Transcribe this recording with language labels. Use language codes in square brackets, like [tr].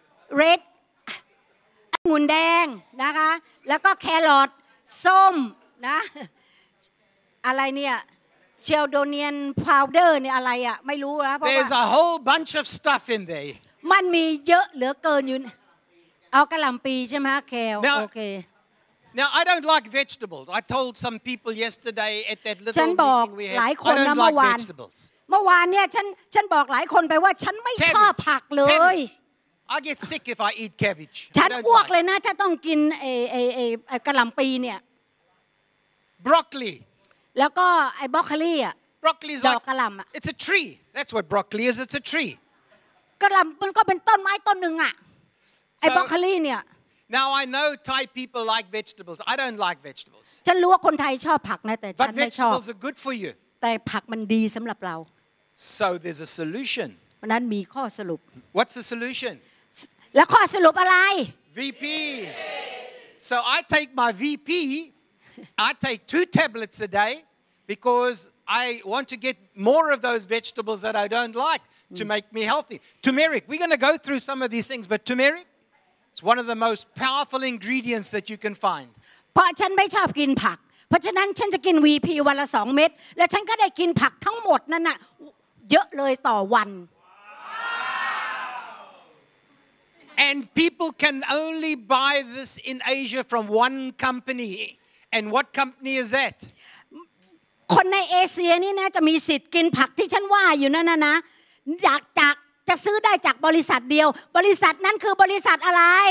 [th] red องุ่นแดงนะคะแล้วก็แครอทส้มนะอะไรเนี่ยเชลโดเนียนพาวเดอร์เนี่ยอะไรอ่ะไม่รู้นะเพราะว่า [en] There's a whole bunch of stuff in there [th] มันมีเยอะเหลือเกินอยู่เอากะหล่ําปีใช่มั้ยแควโอเค [en] Now I don't like vegetables I told some people yesterday at that little meeting we had [th] ฉันบอกหลายคนนะเมื่อวานเนี่ยฉันบอกหลายคนไปว่าฉันไม่ชอบผักเลย [en] I get sick if I eat cabbage. [th] ฉันอ้วกเลยนะถ้าต้องกินไอ้กะหล่ําปีเนี่ย [en] Broccoli. [th] แล้วก็ไอ้บรอกโคลีอ่ะ [en] Broccoli is like It's a tree. That's what broccoli is. It's a tree. [th] กะหล่ํามันก็เป็นต้นไม้ต้นนึงอ่ะไอ้บรอกโคลีเนี่ย [en] Now I know Thai people like vegetables. I don't like vegetables. [th] ฉันรู้ว่าคนไทยชอบผักนะแต่ฉันไม่ชอบ [en] But vegetables are good for you. [th] แต่ผักมันดีสําหรับเรา [en] So there's a solution. [th] มันนั้นมีข้อสรุป [en] What's the solution? [th] แล้วข้อสรุปอะไร [en] VP So I take my VP I take 2 tablets a day because I want to get more of those vegetables that I don't like to make me healthy Turmeric we're going to go through some of these things but turmeric it's one of the most powerful ingredients that you can find [th] เพราะฉันไม่ชอบกินผักเพราะฉะนั้นฉันจะกิน VP วันละ2เม็ดและฉันก็ได้กินผักทั้งหมดนั่นน่ะเยอะเลยต่อวัน [en] And people can only buy this in Asia from one company. And what company is that? [th] คนในเอเชียนี่นะจะมีสิทธิ์กินผักที่ฉันว่าอยู่นั่นนะจากจะซื้อได้จากบริษัทเดียวบริษัทนั้นคือบริษัทอะไร